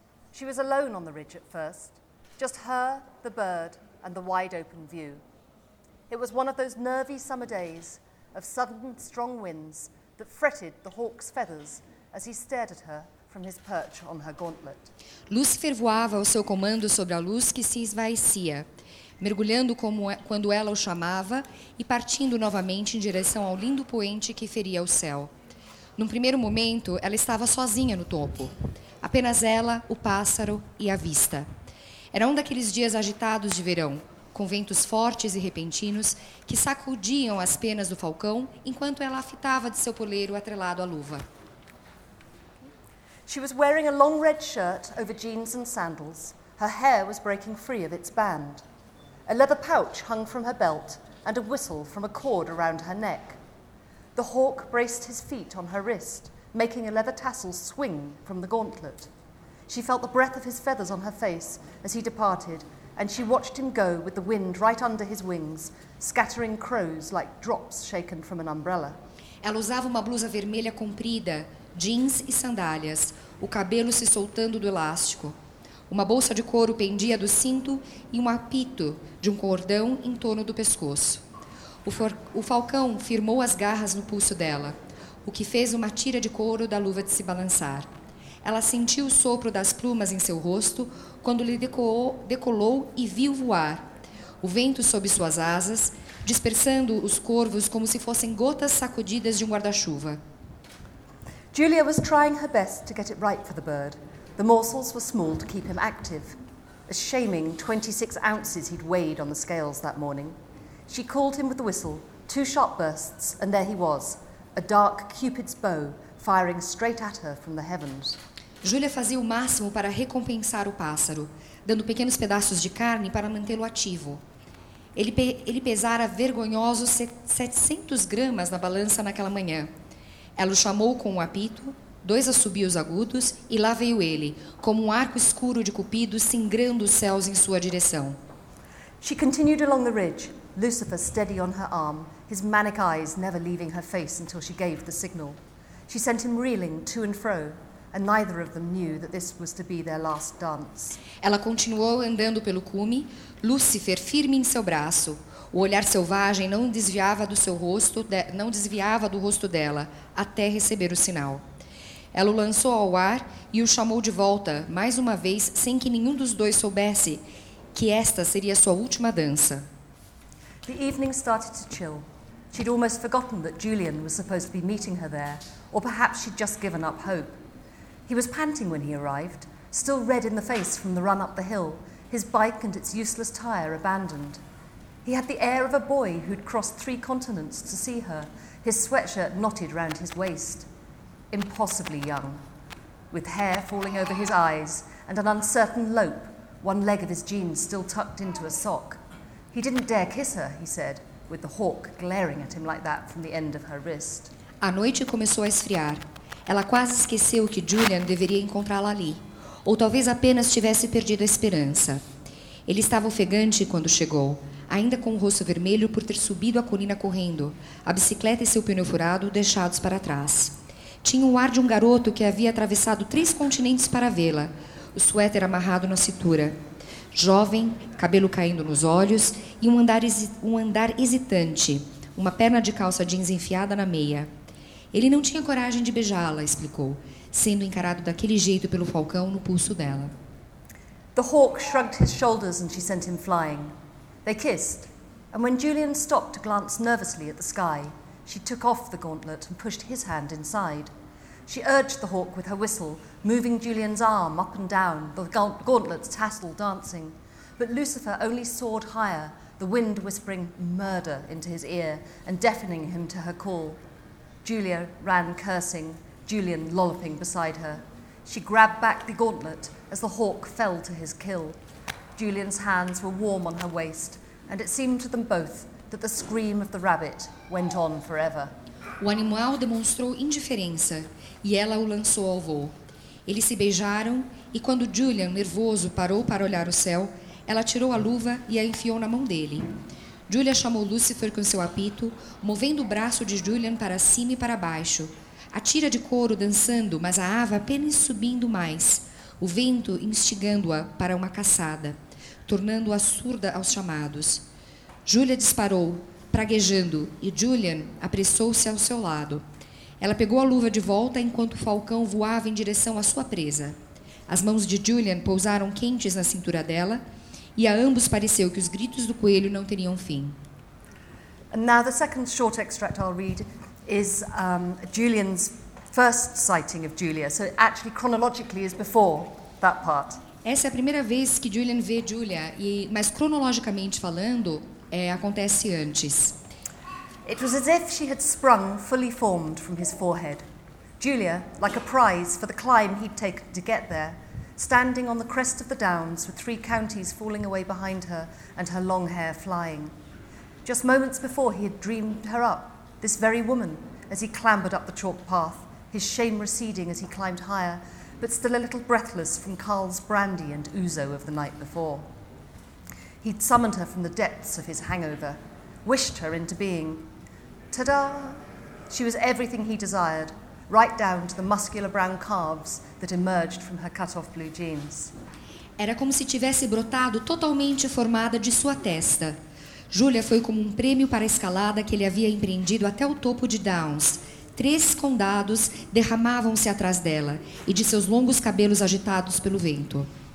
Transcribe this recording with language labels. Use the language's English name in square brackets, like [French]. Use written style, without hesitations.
[English] She was alone on the ridge at first, just her, the bird, and the wide open view. It was one of those nervy summer days of sudden strong winds that fretted the hawk's feathers as he stared at her from his perch on her gauntlet. [Portuguese] Lucifer voava ao seu comando sobre a luz que se esvaecia, mergulhando como quando ela o chamava e partindo novamente em direção ao lindo poente que feria o céu. Num primeiro momento, ela estava sozinha no topo, apenas ela, o pássaro e a vista. Era um daqueles dias agitados de verão, com ventos fortes e repentinos que sacudiam as penas do falcão enquanto ela fitava de seu poleiro atrelado à luva. [English] She was wearing a long red shirt over jeans and sandals. Her hair was breaking free of its band. A leather pouch hung from her belt and a whistle from a cord around her neck. The hawk braced his feet on her wrist, making a leather tassel swing from the gauntlet. She felt the breath of his feathers on her face as he departed, and she watched him go with the wind right under his wings, scattering crows like drops shaken from an umbrella. [Portuguese] Ela usava uma blusa vermelha comprida, jeans e sandálias, o cabelo se soltando do elástico. Uma bolsa de couro pendia do cinto e um apito de um cordão em torno do pescoço. O falcão firmou as garras no pulso dela, o que fez uma tira de couro da luva de se balançar. Ela sentiu o sopro das plumas em seu rosto quando lhe decolou e viu voar. O vento sob suas asas, dispersando os corvos como se fossem gotas sacudidas de um guarda-chuva. [English] Julia was trying her best to get it right for the bird. The morsels were small to keep him active. A shaming 26 ounces he'd weighed on the scales that morning. She called him with the whistle, two sharp bursts, and there he was, a dark cupid's bow firing straight at her from the heavens. [Portuguese] Julia fazia o máximo para recompensar o pássaro, dando pequenos pedaços de carne para mantê-lo ativo. Ele pesara vergonhosos 700 gramas na balança naquela manhã. Ela o chamou com um apito, dois assobios agudos, e lá veio ele, como um arco escuro de cupido cingrando os céus em sua direção. [English] She continued along the ridge, Lucifer steady on her arm, his manic eyes never leaving her face until she gave the signal. She sent him reeling to and fro, and neither of them knew that this was to be their last dance. [Portuguese] Ela continuou andando pelo cume, Lucifer firme em seu braço. O olhar selvagem não desviava do rosto dela, até receber o sinal. Ela o lançou ao ar e o chamou de volta, mais uma vez, sem que nenhum dos dois soubesse que esta seria sua última dança. [English] The evening started to chill. She'd almost forgotten that Julian was supposed to be meeting her there, or perhaps she'd just given up hope. He was panting when he arrived, still red in the face from the run up the hill, his bike and its useless tire abandoned. He had the air of a boy who'd crossed three continents to see her, his sweatshirt knotted round his waist. Impossibly young, with hair falling over his eyes and an uncertain lope, one leg of his jeans still tucked into a sock. He didn't dare kiss her, he said, with the hawk glaring at him like that from the end of her wrist. [Portuguese] A noite começou a esfriar. Ela quase esqueceu que Julian deveria encontrá-la ali, ou talvez apenas tivesse perdido a esperança. Ele estava ofegante quando chegou, ainda com o rosto vermelho por ter subido a colina correndo, a bicicleta e seu pneu furado deixados para trás. Tinha o ar de um garoto que havia atravessado três continentes para vê-la, o suéter amarrado na cintura. Jovem, cabelo caindo nos olhos e um andar hesitante, uma perna de calça jeans enfiada na meia. Ele não tinha coragem de beijá-la, explicou, sendo encarado daquele jeito pelo falcão no pulso dela. [English] The hawk shrugged his shoulders and she sent him flying. They kissed, and when Julian stopped to glance nervously at the sky, she took off the gauntlet and pushed his hand inside. She urged the hawk with her whistle, moving Julian's arm up and down, the gauntlet's tassel dancing. But Lucifer only soared higher, the wind whispering murder into his ear and deafening him to her call. Julia ran cursing, Julian lolloping beside her. She grabbed back the gauntlet as the hawk fell to his kill. Julian's hands were warm on her waist, and it seemed to them both that the scream of the rabbit went on forever. [Portuguese] O animal demonstrou indiferença, e ela o lançou ao voo. Eles se beijaram, e quando Julian, nervoso, parou para olhar o céu, ela tirou a luva e a enfiou na mão dele. Julia chamou Lucifer com seu apito, movendo o braço de Julian para cima e para baixo. A tira de couro dançando, mas a ave apenas subindo mais, o vento instigando-a para uma caçada, tornando-a surda aos chamados. Julia disparou, praguejando, e Julian apressou-se ao seu lado. Ela pegou a luva de volta enquanto o falcão voava em direção à sua presa. As mãos de Julian pousaram quentes na cintura dela, e a ambos pareceu que os gritos do coelho não teriam fim. [English] And now the second short extract I'll read is Julian's first sighting of Julia. So actually chronologically is before that part. [Portuguese] Essa é a primeira vez que Julian vê Julia, e, mas cronologicamente falando, acontece antes. [English] It was as if she had sprung fully formed from his forehead. Julia, like a prize for the climb he'd taken to get there, standing on the crest of the downs with three counties falling away behind her and her long hair flying. Just moments before he had dreamed her up, this very woman, as he clambered up the chalk path, his shame receding as he climbed higher, but still a little breathless from Carl's brandy and ouzo of the night before. He'd summoned her from the depths of his hangover, wished her into being. Ta-da! She was everything he desired, right down to the muscular brown calves that emerged from her cut-off blue jeans. [Portuguese] Era como se tivesse brotado totalmente formada de sua testa. Julia foi como um prêmio para a escalada que ele havia empreendido até o topo de Downs. Três condados derramavam-se atrás dela e de seus longos cabelos agitados pelo vento.